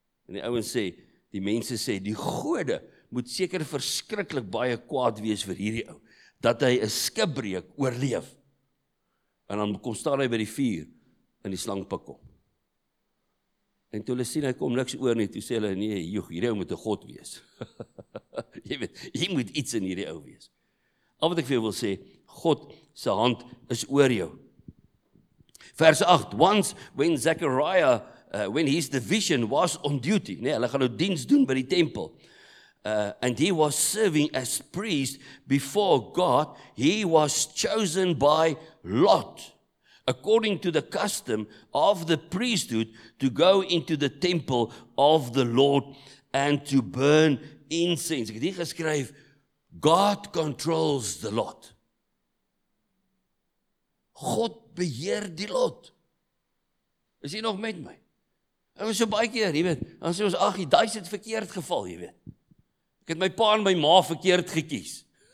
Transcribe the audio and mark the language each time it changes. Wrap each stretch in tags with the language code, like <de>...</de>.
<af>En die ouens sê, die mense sê, die gode moet seker verskriklik baie kwaad wees vir hierdie ou, dat hy een skipbreuk oorleef, en dan kom staan hy by die vuur, en die slang pik om. En toe hulle sien, hy kom niks oor nie, toe sê hulle, nee, joeg, hierdie ou moet een God wees. Jy weet, jy moet iets in hierdie ou wees. Al wat ek vir jou wil sê, God se hand is oor jou.</af> <en>Vers 8, once when Zechariah, when his division was on duty,</en> <af>nee, hulle gaan nou diens doen by die tempel,</af> <en>and he was serving as priest before God, he was chosen by lot, according to the custom of the priesthood, to go into the temple of the Lord and to burn incense.</en> <af>Ek het hier geskryf,</af> <en>God controls the lot.</en> <af>God beheer die lot. Is hier nog met my? En so baie keer, jy weet, dan sê ons, ach, die duis het verkeerd geval, jy weet. Ek het my pa en my ma verkeerd gekies.</af>